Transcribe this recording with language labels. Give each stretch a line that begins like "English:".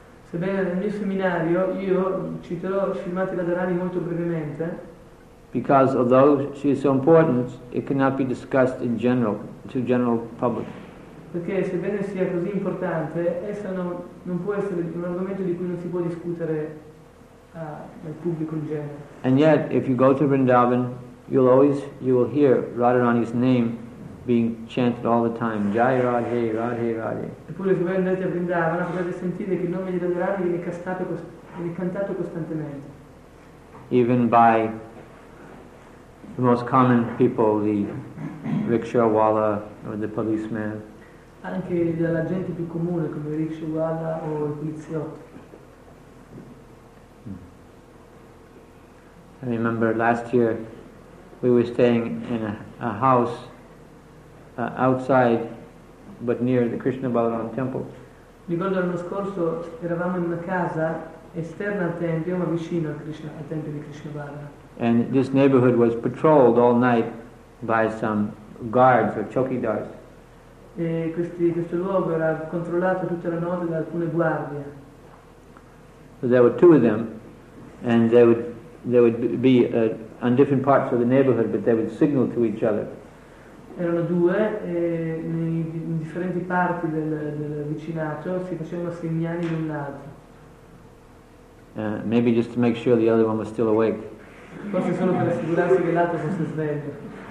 Italian: Sebbene nel mio seminario io citerò Srimati Radharani molto brevemente.
English: Because although she is so important, it cannot be discussed in general to general public.
Italian: Perché sebbene sia così importante, essa non può essere un argomento di cui non si può discutere nel pubblico in genere.
English: And yet, if you go to Vrindavan, you will hear Radharani's name being chanted all the time.
Hindi: Jai Radhe, Radhe, Radhe.
Italian: Eppure se voi andate a Vrindavan, potete sentire che il nome di Radharani viene cantato costantemente.
English: Even by the most common people, the rickshaw wala or the policeman.
Italian: Anche dalla gente più comune come il rickshaw wala o il poliziotto.
English: I remember last year we were staying in a house outside but near the Krishna Balaram temple.
Italian: Ricordo l'anno scorso eravamo in una casa esterna al tempio, ma vicino al Krishna, al tempio di Krishna Balaram.
English: And this neighborhood was patrolled all night by some guards or chokidars.
Italian: E questo luogo era controllato tutta la notte da alcune guardie.
English: So there were two of them, and they would be on different parts of the neighborhood, but they would signal to each other.
Italian: Erano due e in differenti parti del vicinato si facevano segnali l'un l'altro.
English: Maybe just to make sure the other one was still awake.
Italian: Forse solo per assicurarsi che l'altro fosse sveglio.